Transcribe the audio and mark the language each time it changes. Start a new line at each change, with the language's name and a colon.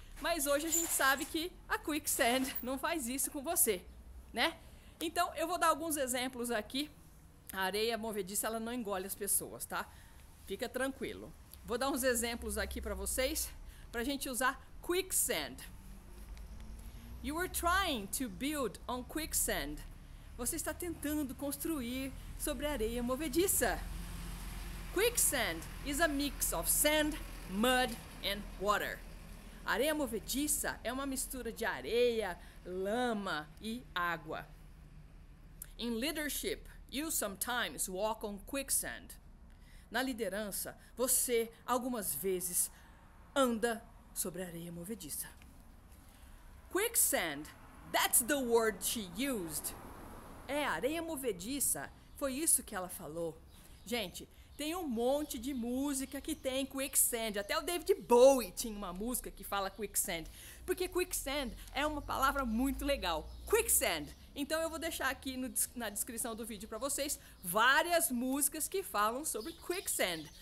Portuguese: Mas hoje a gente sabe que a quicksand não faz isso com você, né? Então eu vou dar alguns exemplos aqui. A areia movediça, ela não engole as pessoas, tá? Fica tranquilo. Vou dar uns exemplos aqui para vocês, para a gente usar quicksand.
English: You were trying to build on quicksand.
Portuguese: Você está tentando construir sobre areia movediça.
English: Quicksand is a mix of sand, mud and water.
Portuguese: Areia movediça é uma mistura de areia, lama e água.
English: In leadership, you sometimes walk on quicksand.
Portuguese: Na liderança, você algumas vezes anda sobre areia movediça.
English: Quicksand, that's the word she used.
Portuguese: É, areia movediça, foi isso que ela falou. Gente, tem um monte de música que tem quicksand. Até o David Bowie tinha uma música que fala quicksand. Porque quicksand é uma palavra muito legal. Quicksand. Então eu vou deixar aqui no, na descrição do vídeo pra vocês várias músicas que falam sobre quicksand.